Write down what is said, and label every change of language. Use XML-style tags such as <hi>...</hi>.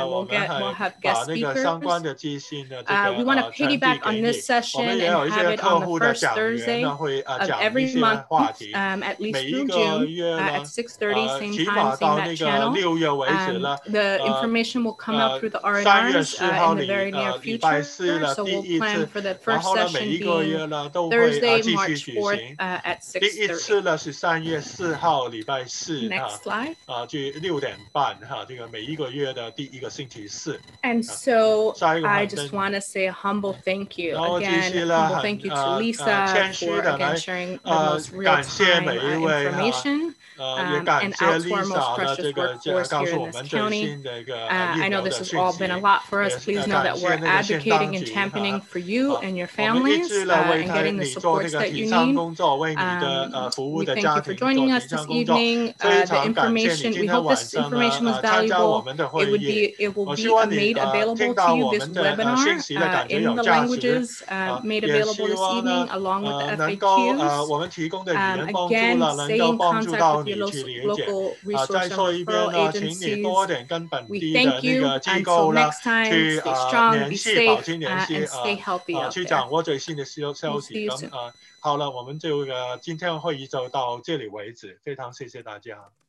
<en>We'll have guest speakers. We want to piggyback on this session and have it on the first Thursday of every month, at least through June, at 6:30, same time, same that channel. The information will come out through the R&Rs in the very near future, so we'll plan for the first session being Thursday, March 4th at 6:30. Next slide. 6:30,</en> <zh>这个每一个月的第一个星期四。</zh> <en>And so I just want to say a humble thank you again. Humble thank you to Lisa for again sharing the most real-time information. And out to our most precious workforce here in this county. I know this has all been a lot for us. Please know that we're advocating and championing for you and your families and getting the supports that you need. We thank you for joining us this evening. The information, we hope this information was valuable. It will be made available to you, this webinar, in the languages made available this evening, along with the FAQs. Again, stay in contact with your local resource and referral agencies. We thank you. Until next time, stay strong, be safe, and stay healthy out there.</en> <zh>去掌握最新的消息。好了，我们就今天会议就到这里为止。非常谢谢大家。</zh>